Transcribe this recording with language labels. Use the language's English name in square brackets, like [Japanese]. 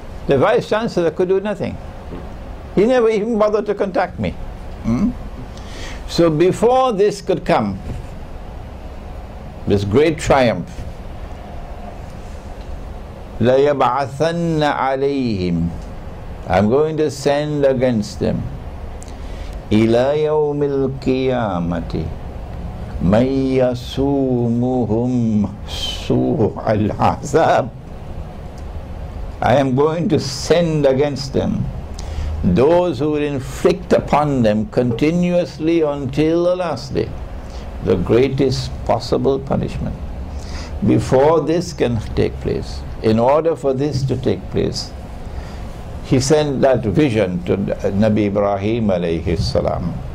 [English] The vice chancellor could do nothing. He never even bothered to contact me. So before this could come, this great triumph, [Arabic] لَيَبْعَثَنَّ عَلَيْهِمْ. [English] I'm going to send against them, [Arabic] إِلَى يَوْمِ الْقِيَامَةِ مَنْ يَسُومُهُمْ سُوءَ الْعَذَابِ. [English] I am going to send against them those who will inflict upon them continuously until the last day the greatest possible punishment. Before this can take place, in order for this to take place, he sent that vision to Nabi Ibrahim alayhi salam.